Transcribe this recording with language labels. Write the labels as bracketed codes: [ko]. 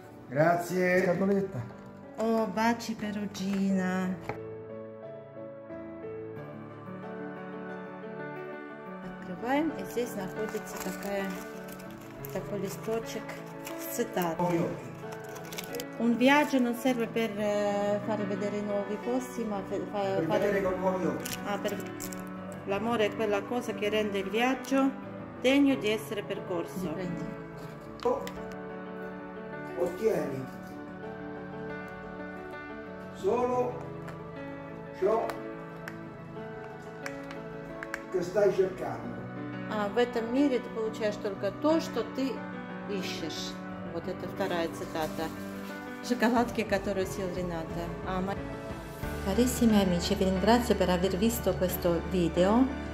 [it] Grazie. Scatoletta. Oh, baci Perugina. [ru] Открываем, и здесь находится такой листочек с цитатой. [it] Un viaggio non serve per far vedere nuovi posti, ma per l'amore è quella cosa che rende il viaggio degno di essere percorso. Ottieni solo ciò che stai cercando. [ru] В этом мире ты получаешь только то, что ты ищешь. Вот это вторая цитата. Шоколадки, которую съел Рената. [it] Carissimi amici, vi ringrazio per aver visto questo video.